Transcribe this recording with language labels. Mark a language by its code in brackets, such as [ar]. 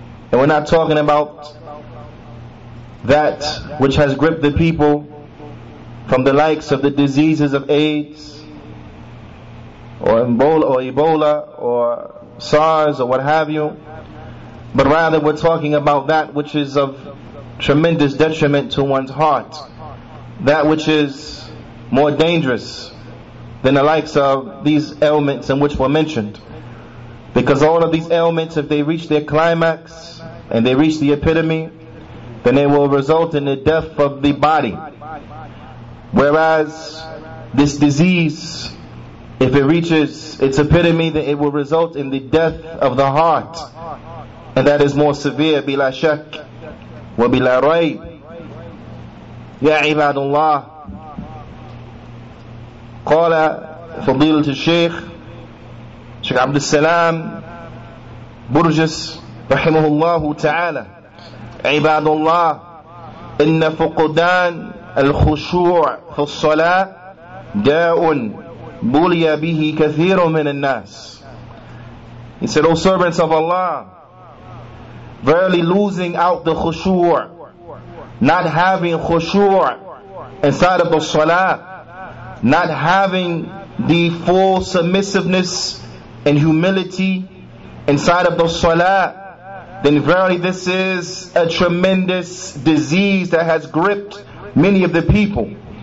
[en] and we're not talking about that which has gripped the people, from the likes of the diseases of AIDS or Ebola or SARS or what have you, but rather we're talking about that which is of tremendous detriment to one's heart, that which is more dangerous than the likes of these ailments in which were mentioned. Because all of these ailments, if they reach their climax and they reach the epitome, then they will result in the death of the body. Whereas this disease, if it reaches its epitome, then it will result in the death of the heart. And that is more severe. [ar] Bila shak wa bila rayb. Ya ibadullah. قال فضيلة الشيخ شيخ عبد السلام برجس رحمه الله تعالى عباد الله إن فقدان الخشوع في الصلاة داء بلي به كثير من الناس. [en] He said, O servants of Allah, verily losing out the khushu', not having khushu' inside of the salah, not having the full submissiveness and humility inside of the salah, then verily this is a tremendous disease that has gripped many of the people.